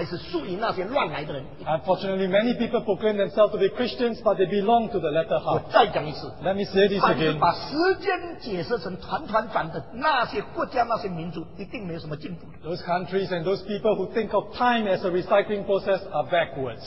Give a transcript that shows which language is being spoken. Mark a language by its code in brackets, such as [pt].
[en] Unfortunately, many people proclaim themselves to be Christians, but they belong to the latter half. Let me say this again. [zh] 凡是把时间解释成团团转的那些国家那些民族, [en] those countries and those people who think of time as a recycling process are backwards.